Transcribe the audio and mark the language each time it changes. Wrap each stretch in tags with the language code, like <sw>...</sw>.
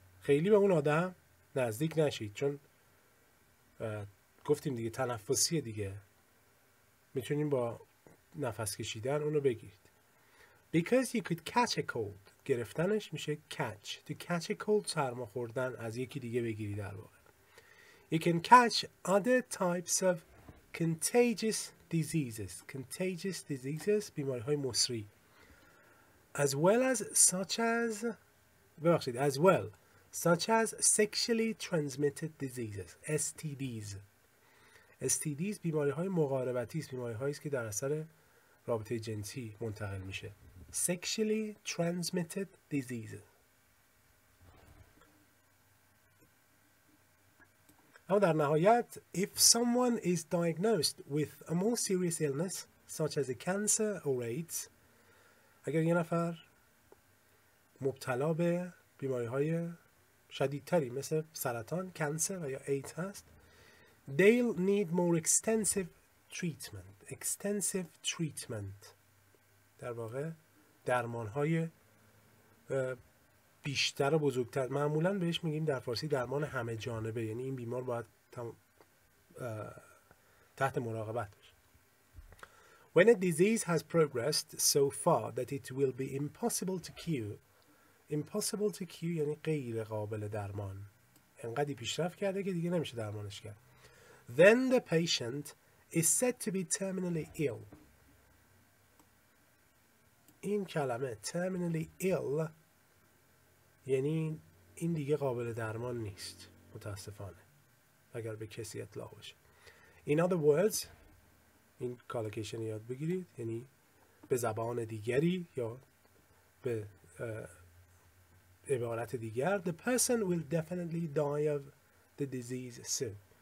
<fa>خیلی به اون آدم نزدیک نشید، چون گفتیم دیگه تنفسیه دیگه، میتونیم با نفس کشیدن اونو بگیرید.</fa> <en>Because you could catch a cold.</en> <fa>گرفتنش میشه</fa> <en>catch. To catch a cold،</en> <fa>سرما خوردن، از یکی دیگه بگیری در واقع.</fa> <en>You can catch other types of contagious diseases. Contagious diseases،</en> <fa>بیماری های مصری.</fa> <en>As well as such as، ببخشید، as well such as sexually transmitted diseases، STDs.</en> <fa>STDs بیماری های مقاربتی است، بیماری هایی است که در اثر رابطه جنسی منتقل میشه.</fa> <en>Sexually transmitted diseases.</en> <fa>اما در نهایت،</fa> <en>if someone is diagnosed with a more serious illness such as a cancer or AIDS،</en> <fa>اگر یه نفر مبتلا به بیماری های شدیدتری مثل سرطان، کانسر یا ایدز هست،</fa> <en>they'll need more extensive treatment. Extensive treatment</en> <fa>در واقع درمان های بیشتر و بزرگتر. معمولا بهش میگیم در فارسی درمان همه جانبه، یعنی این بیمار باید تحت مراقبت بشه.</fa> <en>When a disease has progressed so far that it will be impossible to cure. Impossible to cure</en> <fa>یعنی غیر قابل درمان، انقدی پیشرفت کرده که دیگه نمیشه درمانش کرد.</fa> <en>Then the patient is said to be terminally ill.</en> <fa>این کلمه terminally ill یعنی این دیگه قابل درمان نیست متاسفانه، اگر به کسی اطلاق بشه.</fa> <en>In other words،</en> <fa>این کالوکیشن یاد بگیرید، یعنی به زبان دیگری یا به عبارت دیگر،</fa> <en>the person will definitely die of the disease soon.</en>